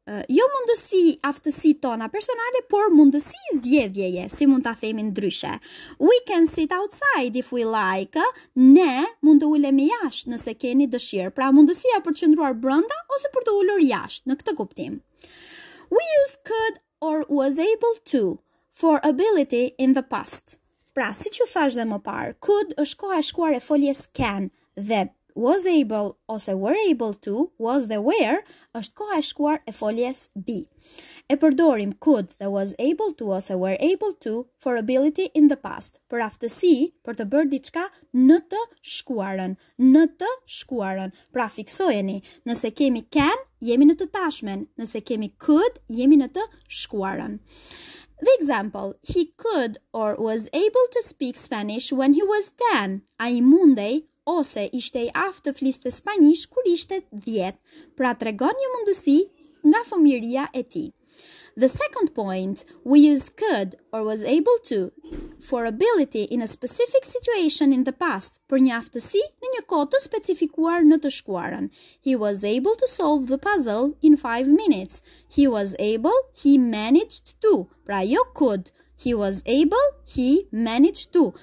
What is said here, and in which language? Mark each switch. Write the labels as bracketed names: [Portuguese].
[Albanian] Jo mundësi aftësi tona personale, por mundësi zgjedhjeje, si mund ta themi ndryshe. [English] We can sit outside if we like. [Albanian] Ne mund të ulemi jashtë nëse keni dëshirë. Pra mundësia për të qëndruar brenda ose për të ulur jashtë, në këtë kuptim. [English] We use could or was able to for ability in the past. [Albanian] Pra si që thash dhe më parë, could është koha e shkuar e foljes can dhe was able ose were able to, was dhe were, është koha e shkuar e foljes be. E përdorim could dhe was able to ose were able to [English] for ability in the past, [Albanian] për aftësi, për të bërë diçka në të shkuarën, në të shkuarën. Pra fiksojeni, nëse kemi can, jemi në të tashmen, nëse kemi could, jemi në të shkuarën. [English] The example, he could or was able to speak Spanish when he was 10. [Albanian] Ai mundej ose ishte I aftë të fliste spanjish kur ishte 10. Pra tregon një mundësi nga fëmijëria e tij. [English] The second point, we use could or was able to for ability in a specific situation in the past, [Albanian] për një aftësi në një kohë të specifikuar në të shkuarën. [English] He was able to solve the puzzle in 5 minutes. He was able, he managed to. [Albanian] Pra jo [English] could, he was able, he managed to.